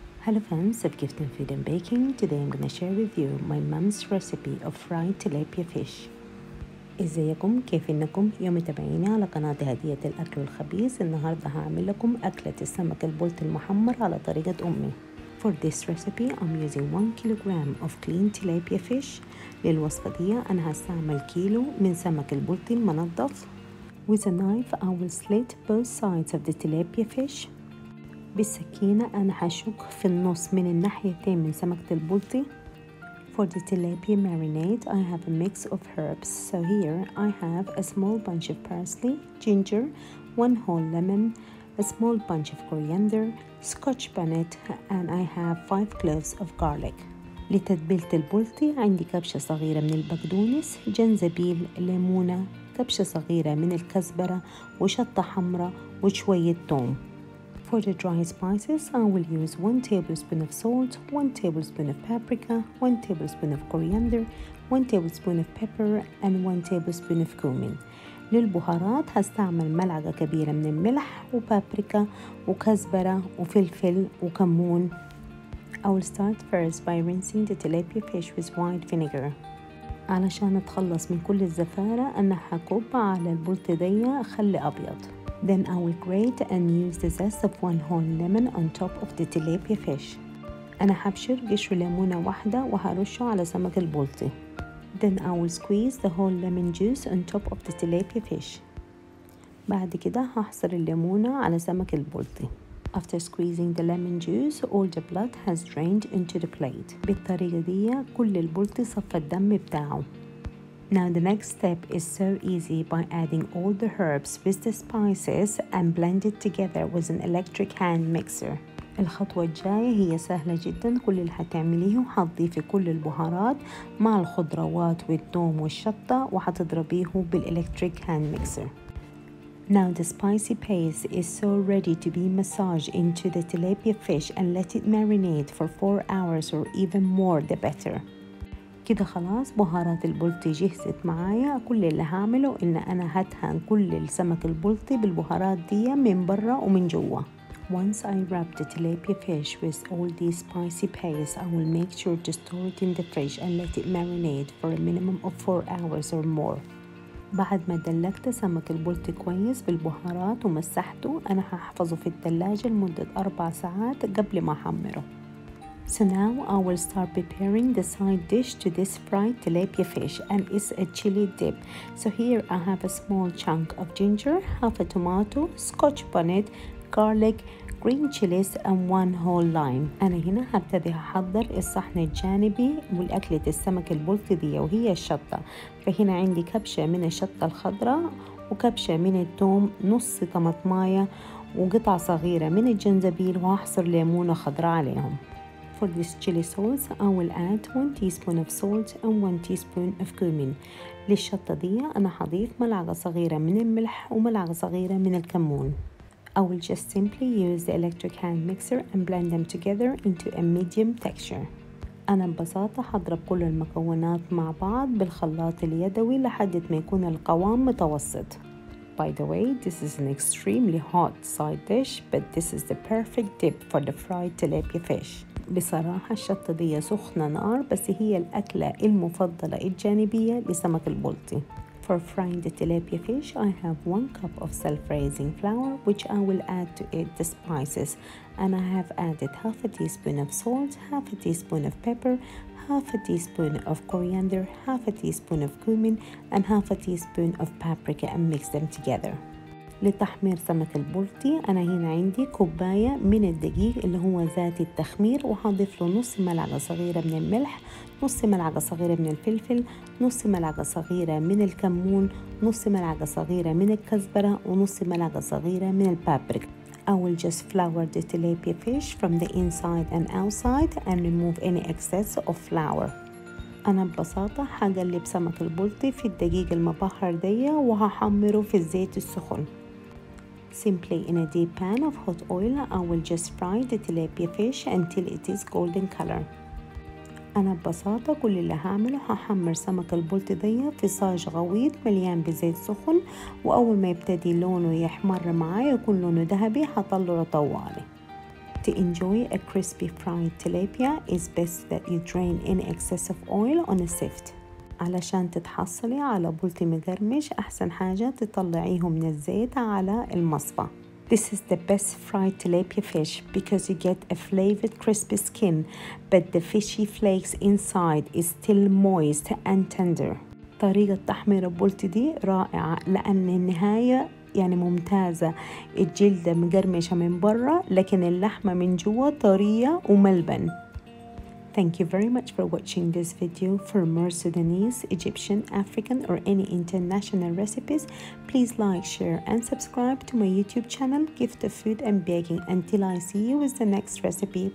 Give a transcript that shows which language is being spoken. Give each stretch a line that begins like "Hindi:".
English: Hello friends of Gift and Food and Baking. Today I'm going to share with you my mom's recipe of fried tilapia fish.
Arabic: ازيكم كيف انكم يا متابعيني على قناة هدية الاكل الخبيث. النهاردة هعمل لكم اكلة السمك البلطي المحمر على طريقة امي.
English: For this recipe I'm using 1 kilogram of clean tilapia fish.
Arabic: للوصفة دي انا هستعمل كيلو من سمك البلطي المنظف.
English: With a knife I will slit both sides of the tilapia fish.
Arabic: بالسكينة أنا هشك في النص من الناحيتين من سمكة البلطي.
English: For the tilapia marinade I have a mix of herbs. So here I have a small bunch of parsley, ginger, one whole lemon, a small bunch of coriander, scotch bonnet and I have 5 cloves of garlic.
Arabic: لتتبيلة البلطي عندي كبشة صغيرة من البقدونس، جنزبيل، ليمونة، كبشة صغيرة من الكزبرة وشطة حمراء وشوية ثوم.
English: For the dry spices, I will use 1 tablespoon of salt, 1 tablespoon of paprika, 1 tablespoon of coriander, 1 tablespoon of pepper, and 1 tablespoon of cumin.
Arabic: للبهارات هستعمل ملعقة كبيرة من الملح وبابريكا وكزبرة وفلفل وكمون.
English: I will start first by rinsing the tilapia fish with white vinegar.
Arabic: علشان اتخلص من كل الزفارة انا هكب على البلطي دي خل ابيض.
English: Then I will grate and use the zest of 1 whole lemon on top of the tilapia fish.
Arabic: أنا هبشر قشر ليمونة واحدة وهرشه على سمك البلطي.
English: Then I will squeeze the whole lemon juice on top of the tilapia fish.
Arabic: بعد كده هحصر الليمونة على سمك البلطي.
English: After squeezing the lemon juice, all the blood has drained into the plate.
Arabic: بالطريقة دي كل البلطي صفى الدم بتاعه.
English: Now the next step is so easy by adding all the herbs with the spices and blend it together with an electric hand mixer.
Arabic: الخطوة الجاية هي سهلة جدا. كل اللي هتعمليه هتضيفي كل البهارات مع الخضروات والثوم والشطة وهتضربيه بالإلكتريك هاند ميكسر.
English: Now the spicy paste is so ready to be massaged into the tilapia fish and let it marinate for 4 hours or even more the better.
Arabic: كده خلاص بهارات البلطي جهزت معايا. كل اللي هعمله ان انا هدهن كل السمك البلطي بالبهارات دي من برا ومن جوا.
English: Once I wrap the tilapia fish with all these spicy paste, I will make sure to store it in the fridge and let it marinate for a minimum of 4 hours or more.
Arabic: بعد ما دلكت سمك البلطي كويس بالبهارات ومسحته انا هحفظه في الثلاجة لمدة 4 ساعات قبل ما احمره.
English: So now I will start preparing the side dish to this fried tilapia fish and it's a chili dip. So here I have a small chunk of ginger, half a tomato, scotch bonnet, garlic, green chilies and 1 whole lime.
Arabic: أنا هنا هبتدي أحضر الصحن الجانبي والأكلة السمك البلطي دي وهي الشطة. فهنا عندي كبشة من الشطة الخضراء وكبشة من الثوم، نص طماطماية وقطع صغيرة من الجنزبيل وهحصر ليمونة خضراء عليهم.
English: For this chili sauce, I will add 1 teaspoon of salt and 1 teaspoon of cumin.
Arabic: للشطة دي أنا هضيف ملعقة صغيرة من الملح وملعقة صغيرة من الكمون.
English: I will just simply use the electric hand mixer and blend them together into a medium texture.
Arabic: أنا ببساطة هضرب كل المكونات مع بعض بالخلاط اليدوي لحد ما يكون القوام متوسط.
English: By the way, this is an extremely hot side dish, but this is the perfect dip for the fried tilapia fish.
Arabic: بصراحة الشطة دي سخنة نار بس هي الأكلة المفضلة الجانبية لسمك البلطي.
English: For frying the tilapia fish, I have 1 cup of self-raising flour which I will add to it the spices. And I have added half a teaspoon of salt, half a teaspoon of pepper, half a teaspoon of coriander, half a teaspoon of cumin and half a teaspoon of paprika and mix them together.
Arabic: لتحمير سمك البلطي أنا هنا عندي كوباية من الدقيق اللي هو ذات التخمير وهضيف له نص ملعقة صغيرة من الملح، نص ملعقة صغيرة من الفلفل، نص ملعقة صغيرة من الكمون، نص ملعقة صغيرة من الكزبرة ونص ملعقة صغيرة من البابريكا.
English: I will just flour the tilapia fish from the inside and outside and remove any excess of flour.
Arabic: أنا ببساطة هقلب سمك البلطي في الدقيق المبهر دي وهحمره في الزيت السخن.
English: Simply in a deep pan of hot oil, I will just fry the tilapia fish until it is golden color.
Arabic: أنا ببساطة كل اللي هعمله هحمر سمك البلطي دي في صاج غويط مليان بزيت سخن وأول ما يبتدي لونه يحمر معايا يكون لونه ذهبي هطلعه طوالي.
English: To enjoy a crispy fried tilapia, it's best that you drain in excess of oil on a sieve.
Arabic: علشان تتحصلي على بولتي مقرمش أحسن حاجة تطلعيه من الزيت على المصفى.
English: This is the best fried tilapia fish because you get a flavored crispy skin, but the fishy flakes inside is still moist and tender.
Arabic: طريقة تحمير البولتي دي رائعة لأن النهاية يعني ممتازة. الجلد مقرمشة من برا لكن اللحمة من جوا طرية وملبن.
English: Thank you very much for watching this video. For more Sudanese, Egyptian, African or any international recipes, please like, share and subscribe to my YouTube channel Gift of Food and Baking. Until I see you with the next recipe.